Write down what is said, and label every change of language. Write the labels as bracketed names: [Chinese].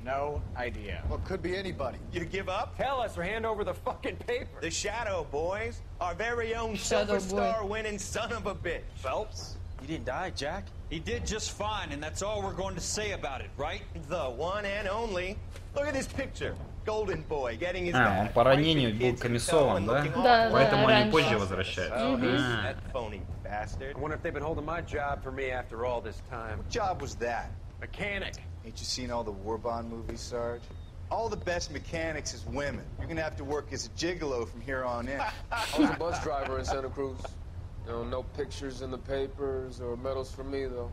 [English] No idea. Well, could be anybody. You give up? Tell us or hand over the fucking paper. The Shadow Boys, our very own Shadow Superstar winning son of a bitch. Phelps? He didn't die, Jack. He did just fine, and that's all we're going to say about it, right? The one and only. Look at this picture. Golden Boy getting his back. [Russian] А, он по ранению был комиссован, да? Да, поэтому да, они позже возвращаются. [English] That phony bastard. I wonder if they've been holding my job for me after all this time. What job was that? Mechanic. Ain't you seen all the War Bond movies, Sarge? All the best mechanics is women. You're gonna have to work as a gigolo from here on in. I was a bus driver in Santa Cruz. No pictures in the papers or medals for me, though.